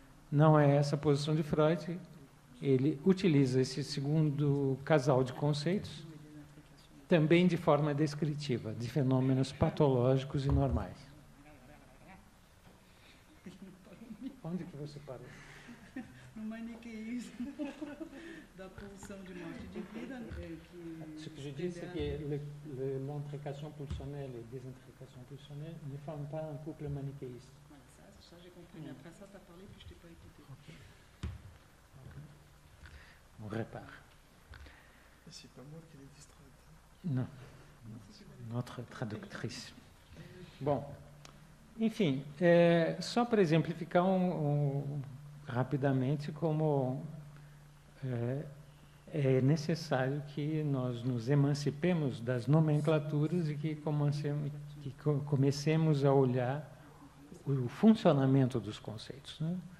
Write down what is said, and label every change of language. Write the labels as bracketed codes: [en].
[pt] Não é essa a posição de Freud. Ele utiliza esse segundo casal de conceitos também de forma descritiva, de fenômenos patológicos e normais. Onde que você parou? No maniqueísmo da pulsão de morte de vida. [fr] Ce que je dis, c'est que l'intrication pulsionnelle et désintrication pulsionnelle ne forment pas un couple manichéiste. Ça, j'ai compris. Mais après ça, tu as parlé, puis je t'ai pas écouté. Okay. On répare. Et c'est pas moi qui l'ai distraite. Non. Notre traductrice. Bon. [pt] Enfim, só para exemplificar rapidamente como é necessário que nós nos emancipemos das nomenclaturas e que comecemos a olhar o funcionamento dos conceitos. Né?